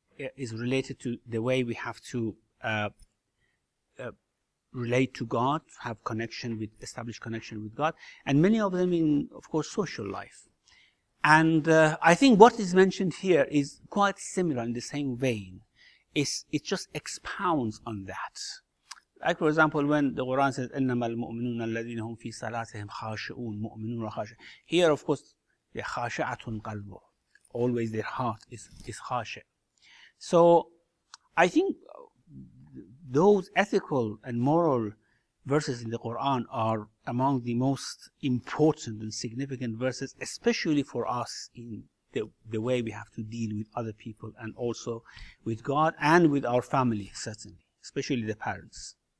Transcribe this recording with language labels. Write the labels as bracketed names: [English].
[English] is related to the way we have to relate to God, have connection with, establish connection with God, and many of them in, of course, social life. And I think what is mentioned here is quite similar in the same vein. It just expounds on that. Like, for example, when the Quran says, [Arabic] إِنَّمَا الْمُؤْمِنُونَ الَّذِينَ هُمْ فِي صَلَاتِهِمْ خَاشِعُونَ مُؤْمِنُونَ خَاشِعُونَ. [English] Here, of course, [Arabic] خَاشِعَةٌ قَلْبُ. [English] Always their heart is خَاشِع. So I think those ethical and moral verses in the Quran are among the most important and significant verses, especially for us in the way we have to deal with other people and also with God and with our family, certainly, especially the parents.